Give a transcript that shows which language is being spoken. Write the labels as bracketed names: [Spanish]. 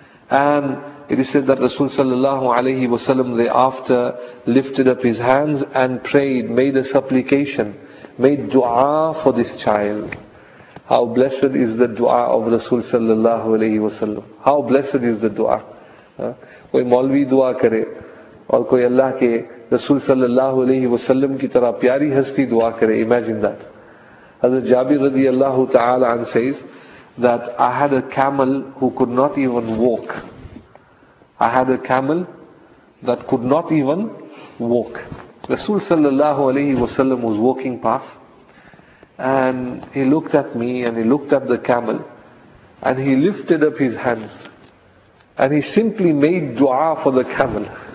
[English] And it is said that Rasul sallallahu alayhi wasallam thereafter lifted up his hands and prayed, made a supplication, made dua for this child. How blessed is the dua of Rasul sallallahu alayhi wasallam. How blessed is the dua. [Urdu] کوئی مولوی دعا کرے، اور کوئی اللہ کے رسول صلی اللہ علیہ وسلم کی طرح پیاری ہستی دعا کرے. [English] Imagine that. Hazrat Jabir radiallahu ta'ala an says that I had a camel who could not even walk. I had a camel that could not even walk. Rasul sallallahu alayhi wasallam was walking past, and he looked at me and he looked at the camel, and he lifted up his hands and he simply made dua for the camel.